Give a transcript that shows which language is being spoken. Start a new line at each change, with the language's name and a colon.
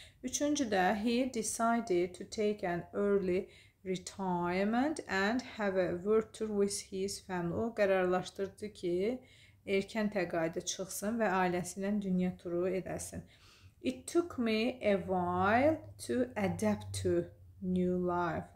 Azerbaijani: Üçüncü də
English: he decided to take an early retirement and have a world tour with his family.
Azerbaijani: O qərarlaşdırdı ki, erkən təqaüdə çıxsın və ailəsilə dünya turu edəsin.
English: It took me a while to adapt to new life.